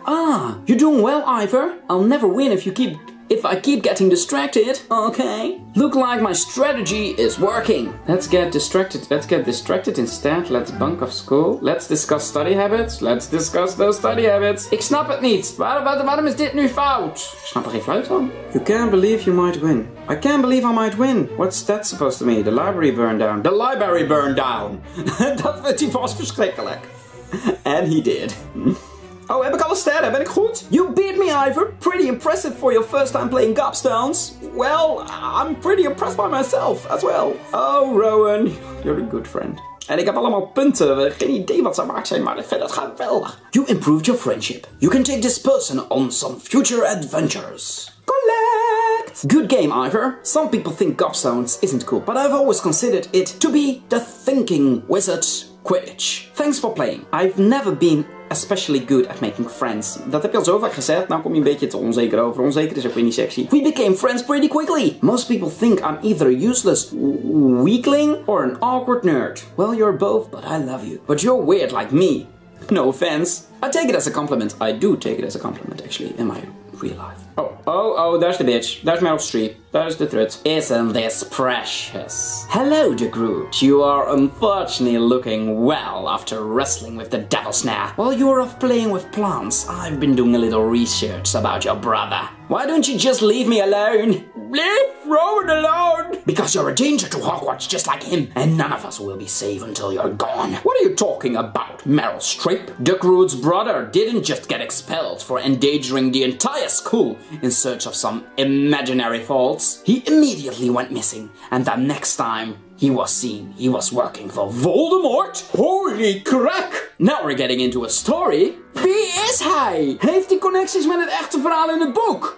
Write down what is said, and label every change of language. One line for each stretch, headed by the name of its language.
English: Ah, you're doing well, Ivor. I'll never win if I keep getting distracted. Okay. Look like my strategy is working. Let's get distracted. Let's get distracted instead. Let's bunk off school. Let's discuss study habits. Let's discuss those study habits.
Dutch: Ik snap het niet. Waarom is dit nu fout? Ik snap er geen fluit van.
English: You can't believe you might win. I can't believe I might win. What's that supposed to mean? The library burned down. The library burned down.
Dutch: Dat vindt hij vast verschrikkelijk.
English: And he did.
Dutch: Oh, heb ik alle sterren? Ben ik goed?
English: You beat me, Ivor. Pretty impressive for your first time playing Gobstones. Well, I'm pretty impressed by myself as well. Oh, Rowan, you're a good friend.
Dutch: En ik heb allemaal punten. Geen idee wat ze waard zijn, maar ik vind het geweldig.
English: You improved your friendship. You can take this person on some future adventures. Collect! Good game, Ivor. Some people think Gobstones isn't cool, but I've always considered it to be the thinking wizard Quidditch. Thanks for playing. I've never been... especially good at making friends.
Dutch: Dat heb je al zo vaak gezegd, nou kom je een beetje te onzeker over. Onzeker is ook weer niet sexy.
English: We became friends pretty quickly. Most people think I'm either a useless weakling or an awkward nerd. Well, you're both, but I love you. But you're weird like me. No offense. I take it as a compliment. I do take it as a compliment, actually, in my real life. Oh, there's the bitch. There's Meryl Streep. There's the threat. Isn't this precious? Hello, De Groot. You are unfortunately looking well after wrestling with the devil snare. While you were off playing with plants, I've been doing a little research about your brother. Why don't you just leave me alone? Leave Rowan alone! Because you're a danger to Hogwarts just like him, and none of us will be safe until you're gone. What are you talking about, Meryl Streep? De Groot's brother didn't just get expelled for endangering the entire school in search of some imaginary faults. He immediately went missing, and the next time he was seen, he was working for Voldemort? Holy crack! Now we're getting into a story.
Dutch: Wie is hij? Heeft hij connecties met het echte verhaal in het boek?